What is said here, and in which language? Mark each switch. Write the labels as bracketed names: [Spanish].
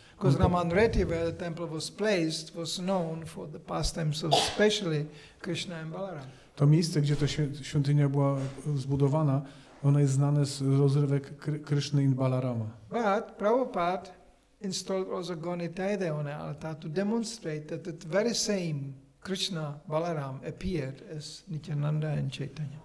[English] Because Ramanreti, where the temple was placed, was known for the pastimes of especially Krishna and Balaram. [Polish] To miejsce, gdzie ta świątynia była zbudowana, ona jest znane z rozrywek Kryszny i Balarama. [English] But Prabhupada installed also Gaunitaya there on the altar to demonstrate that the very same Krishna Balaram appeared as Nityananda and Chaitanya.